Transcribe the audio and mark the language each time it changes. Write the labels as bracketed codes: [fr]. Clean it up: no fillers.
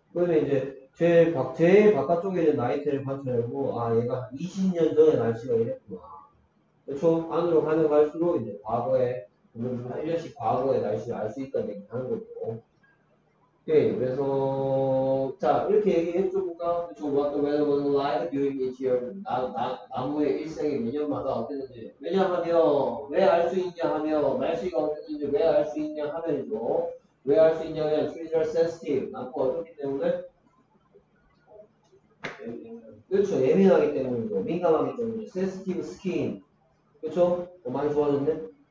[ko] 그러면 이제 제일 바깥쪽에 있는 나이트를 관찰하고 아 얘가 20년 전에 날씨가 이랬구나. 그렇죠. 안으로 가면 갈수록 이제 과거에 1년씩 과거의 날씨를 알 수 있다는 얘기를 하는 거죠. 오케이. 그래서 자 이렇게 얘기했죠. 뭔가 그렇죠. [en] What the weather was like during each year. [ko] 나무의 일생이 몇 년마다 어땠는지 왜냐하면 왜 알 수 있냐 하면 날씨가 어땠는지 왜 알 수 있냐 하면이죠. 왜 알 수 있냐 하면 [en] trees are sensitive. [ko] 나무가 어떻기 때문에 그렇죠. 예민하기 때문이죠. 민감하기 때문이죠. sensitive skin. 그쵸? 어, 많이 좋아졌네?